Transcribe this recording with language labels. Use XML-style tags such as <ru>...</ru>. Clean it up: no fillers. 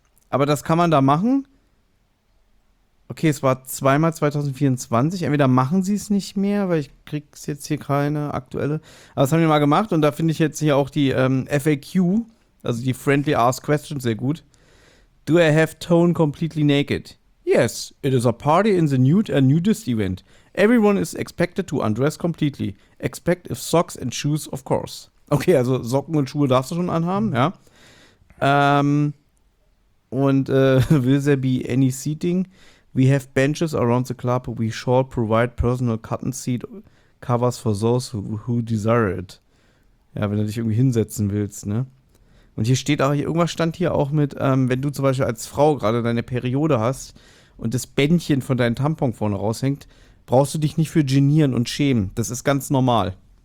<de>Aber das kann man da machen. Okay, es war zweimal 2024. Entweder machen sie es nicht mehr, weil ich krieg's jetzt hier keine aktuelle. Aber das haben die mal gemacht und da finde ich jetzt hier auch die FAQ, also die</de> <en>Friendly Ask Questions,</en> <de>sehr gut.</de> <en>Do I have tone completely naked? Yes, it is a party in the nude and nudist event. Everyone is expected to undress completely. Expect if socks and shoes, of course.</en> <de>Okay, also Socken und Schuhe darfst du schon anhaben, ja.</de> <en>Will there be any seating? We have benches around the club. We shall provide personal cotton seat covers for those who desire it.</en> <de>Ja, wenn du dich irgendwie hinsetzen willst, ne? Und hier steht auch, irgendwas stand hier auch mit, wenn du zum Beispiel als Frau gerade deine Periode hast und das Bändchen von deinem Tampon vorne raushängt, brauchst du dich nicht für genieren und schämen. Das ist ganz normal.</de>